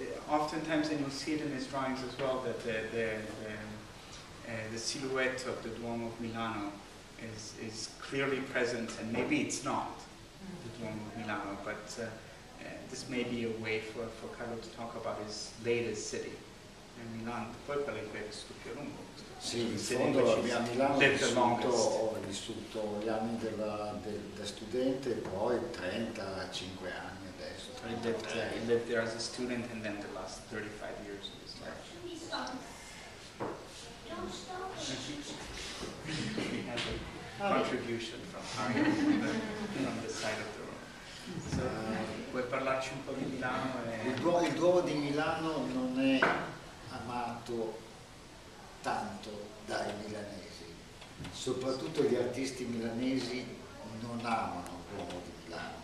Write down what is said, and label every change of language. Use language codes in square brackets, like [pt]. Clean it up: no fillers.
[en] Oftentimes, and you'll see it in his drawings as well, that the silhouette of the Duomo of Milano is clearly present, and maybe it's not the Duomo of Milano, but this may be a way for Carlo to talk about his latest city, in Milan. [it] Poi per l'inglese è stato più lungo. Sì, in fondo a Milano ho vissuto gli anni da studente, poi 35 anni. [en] He lived there as a student, and then the last 35 years of his life. We had a contribution from Harry on the side of the room. [it] So, vuoi parlarci un po' di Milano? Il Duomo di Milano non è amato tanto dai milanesi. Soprattutto gli artisti milanesi non amano il Duomo di Milano.